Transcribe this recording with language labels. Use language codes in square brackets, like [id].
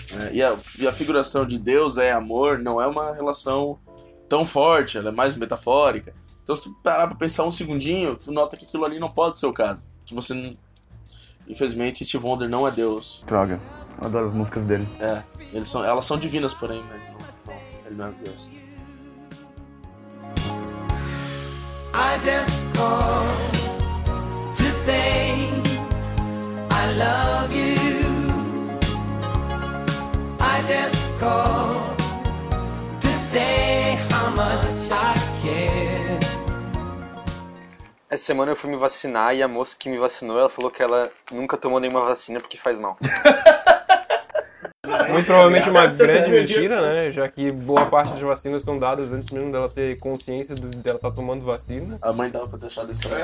[pt] E a figuração de Deus é amor não é uma relação tão forte, ela é mais metafórica. Então, se tu parar pra pensar um segundinho, tu nota que aquilo ali não pode ser o caso. Que você, infelizmente, Steve Wonder não é Deus. Droga, eu adoro as músicas dele. Elas são divinas, porém, mas não, ele não é Deus. [en] I just called to say I love you. I just called to say how much I care. [pt] Essa semana eu fui me vacinar e a moça que me vacinou, ela falou que ela nunca tomou nenhuma vacina porque faz mal. Muito provavelmente uma grande mentira, né? Já que boa parte das vacinas são dadas antes mesmo dela ter consciência dela estar tomando vacina. A mãe dela foi deixada estranha.